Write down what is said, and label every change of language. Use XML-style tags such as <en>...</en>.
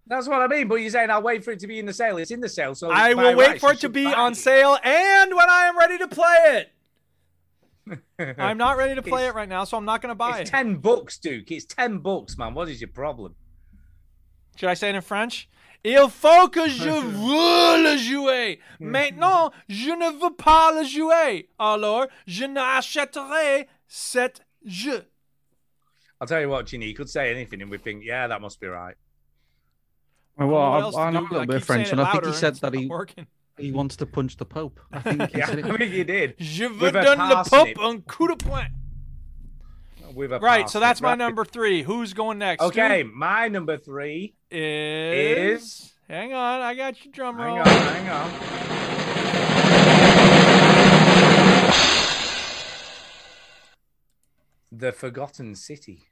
<en>That's what I mean, but you're saying I'll wait for it to be in the sale. It's in the sale, so I will wait for it to be on sale, and when I am ready to play it. I'm not ready to play it right now, so I'm not going to buy it. $10, Duke. It's $10, man. What is your problem? Should I say it in French?</en> <fr>Il faut que je veux le jouer. Maintenant, je ne veux pas le jouer. Alors, je n'achèterai cet jeu.</fr> <en>I'll tell you what, Ginny, you could say anything, and we think, yeah, that must be right. Well, I know a little bit of French, and I think he said that he wants to punch the Pope. I think he did.</en> <fr>Je veux donner le Pope un coup de poing.</fr> <en>Right, so that's my number three. Who's going next? Okay, my number three is... Hang on, I got your drum roll. Hang on. The Forgotten City.</en>